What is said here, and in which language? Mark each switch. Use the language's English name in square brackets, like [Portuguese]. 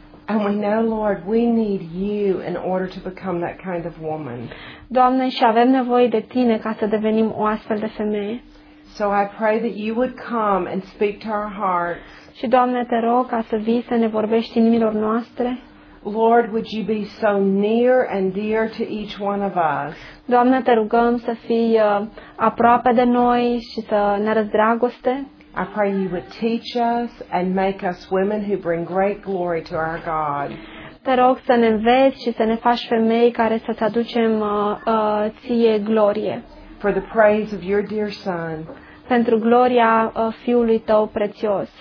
[English] And we know, Lord, we need you in order to become that kind of woman. [Romanian] Doamne, și avem nevoie de tine ca să devenim o astfel de femeie. [English] So I pray that you would come and speak to our hearts. [Romanian] Și Doamne, te rog ca să vii să ne vorbești inimilor noastre. [English] Lord, would you be so near and dear to each one of us? [Romanian] Doamne, te rugăm să fii aproape de noi și să ne arăți dragoste. [English] I pray you would teach us and make us women who bring great glory to our God. [Romanian] Te rog să ne înveți și să ne faci femei care să ți aducem ție glorie. [English] For the praise of your dear son. [Romanian] Pentru gloria fiului tău prețios.